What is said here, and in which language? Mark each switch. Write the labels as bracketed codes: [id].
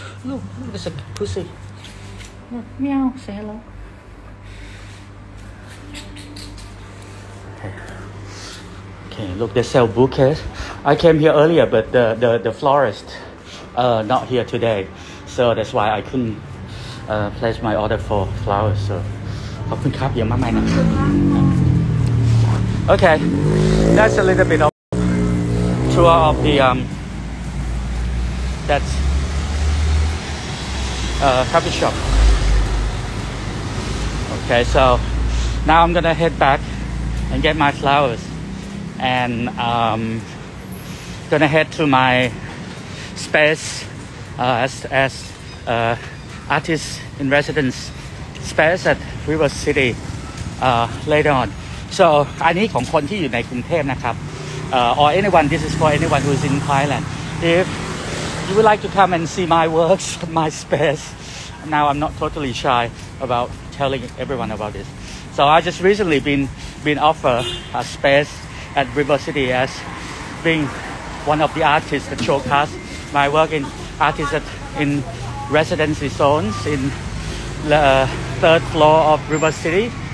[en] Look, there's a pussy. Look, meow. Say hello. Okay. Look, they sell bouquets. I came here earlier, but the florist, not here today, so that's why I couldn't place my order for flowers. So, [th] ขอบคุณครับ อย่ามาใหม่นะ [en] Okay. That's a little bit of tour of the that's coffee shop. Okay, so now I'm gonna head back and get my flowers and gonna head to my space as artist in residence space at River City later on. So [th] อันนี้ของคนที่อยู่ในกรุงเทพนะครับ [en] or anyone, this is for anyone who's in Thailand. If you would like to come and see my works, my space. Now I'm not totally shy about telling everyone about this. So I just recently been offered a space at River City as being one of the artists that showcase my work in artists at, in residency zones in the third floor of River City.